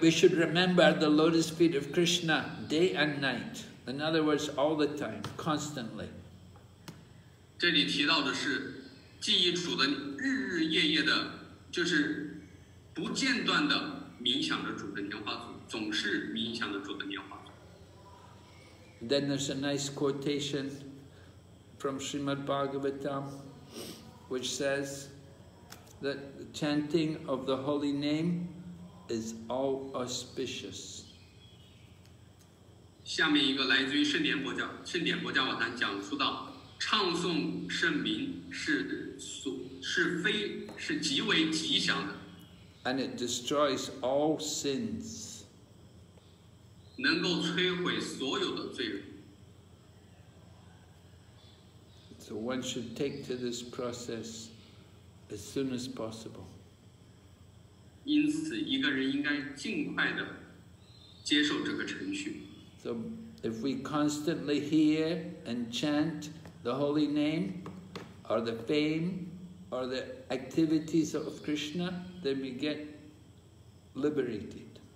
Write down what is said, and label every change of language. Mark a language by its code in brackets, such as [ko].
[en] we should remember the lotus feet of Krishna day and night. In other words, all the time, constantly. [zh] 这里提到的是 记忆主的日日夜夜的，就是不间断的冥想着主的莲花足，总是冥想着主的莲花足。 [en] Then there's a nice quotation from Srimad Bhagavatam, which says that the chanting of the holy name is all auspicious. [zh] 下面一个来自于圣典波迦瓦坦讲述到。唱诵圣名是极为吉祥的， [en] and it destroys all sins. [zh] 能够摧毁所有的罪恶。 [en] So one should take to this process as soon as possible. [zh] 因此，一个人应该尽快的接受这个程序。 [en] So if we constantly hear and chant the holy name, or the fame, or the activities of Krishna, then we get liberated.